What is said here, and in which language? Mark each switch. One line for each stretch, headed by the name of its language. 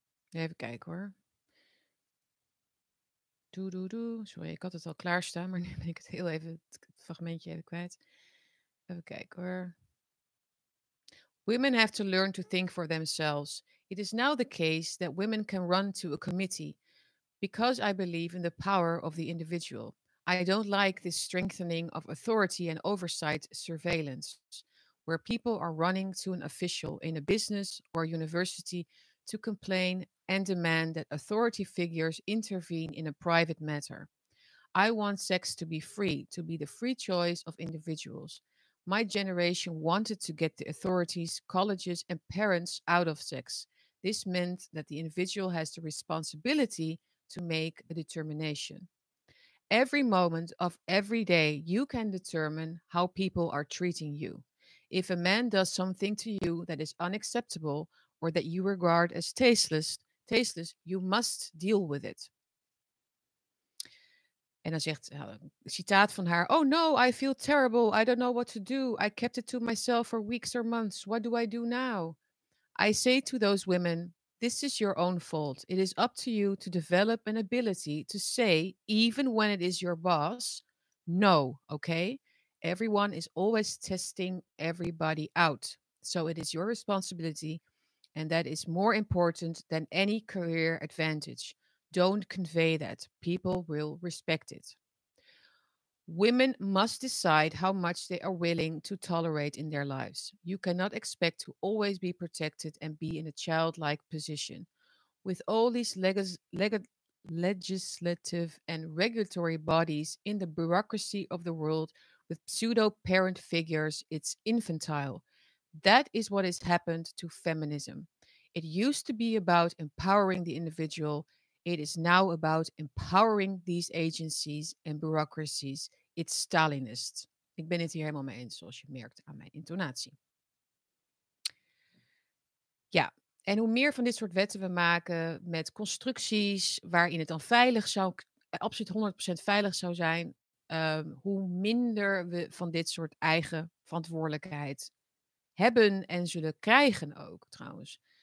Dutch: even kijken hoor. Sorry, ik had het al klaarstaan, maar nu ben ik het fragmentje even kwijt. Even kijken hoor.
English: Women have to learn to think for themselves. It is now the case that women can run to a committee because I believe in the power of the individual. I don't like this strengthening of authority and oversight surveillance where people are running to an official in a business or university to complain and demand that authority figures intervene in a private matter. I want sex to be free, to be the free choice of individuals. My generation wanted to get the authorities, colleges, and parents out of sex. This meant that the individual has the responsibility to make a determination. Every moment of every day, you can determine how people are treating you. If a man does something to you that is unacceptable or that you regard as tasteless, you must deal with it.
Dutch: En dan zegt een citaat van haar:
English: oh no, I feel terrible. I don't know what to do. I kept it to myself for weeks or months. What do I do now? I say to those women, This is your own fault. It is up to you to develop an ability to say, even when it is your boss, no, okay? Everyone is always testing everybody out. So it is your responsibility, and that is more important than any career advantage. Don't convey that. People will respect it. Women must decide how much they are willing to tolerate in their lives. You cannot expect to always be protected and be in a childlike position. With all these legislative and regulatory bodies in the bureaucracy of the world with pseudo-parent figures, it's infantile. That is what has happened to feminism. It used to be about empowering the individual. It is now about empowering these agencies and bureaucracies. It's Stalinist.
Dutch: Ik ben het hier helemaal mee eens, zoals je merkt aan mijn intonatie. Ja, en hoe meer van dit soort wetten we maken met constructies waarin het dan veilig zou, absoluut 100% veilig zou zijn, hoe minder we van dit soort eigen verantwoordelijkheid hebben en zullen krijgen ook, trouwens.